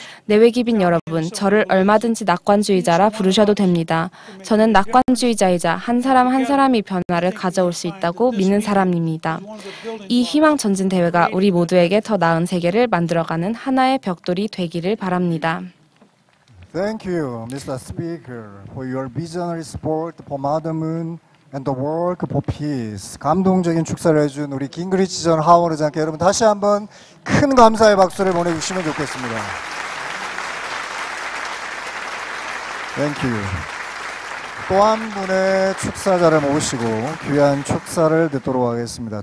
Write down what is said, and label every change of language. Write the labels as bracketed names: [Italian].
[Korean] 내외기빈 여러분, 저를 얼마든지 낙관주의자라 부르셔도 됩니다. 저는 낙관주의자이자 한 사람 한 사람이 변화를 가져올 수 있다고 믿는 사람입니다. 이 희망 전진 대회가 우리 모두에게 더 나은 세계를 만들어가는 하나의 벽돌이 되기를 바랍니다. [English] Thank you, Mr. Speaker, for your visionary support for Mother Moon and the work for peace. [Korean] 감동적인 축사를 해준 우리 긴그리치 전 하원 의장께 여러분 다시 한번 큰 감사의 박수를 보내주시면 좋겠습니다. [English] Thank you. [Korean] 또 한 분의 축사자를 모시고 귀한 축사를 듣도록 하겠습니다.